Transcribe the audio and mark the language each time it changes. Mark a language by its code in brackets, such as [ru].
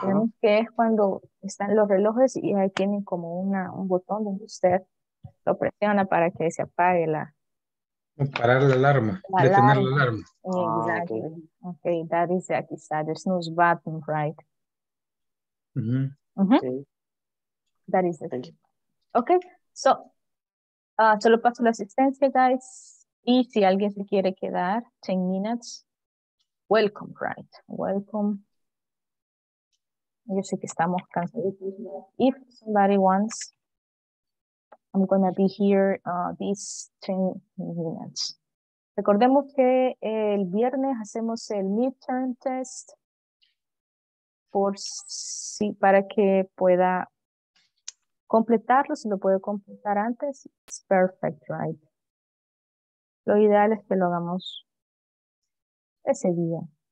[es] Tenemos que es cuando están los relojes y ahí tienen como un botón donde usted lo presiona para que se apague la... Parar la alarma, detener la alarma. [en] Exactly. Oh, okay. Okay, that is the quizá, the snooze button, right? Mm-hmm. Okay. That is the... Okay, so... [es] solo paso la asistencia, [en] guys. [es] Y si alguien se quiere quedar, [en] 10 minutes, welcome, right? Welcome. [es] Yo sé que estamos cansados. [en] If somebody wants, I'm going to be here these 10 minutes. [es] Recordemos que el viernes hacemos el midterm test por si, para que pueda... completarlo, si lo puedo completar antes, [en] it's perfect, right? [es] Lo ideal es que lo hagamos ese día.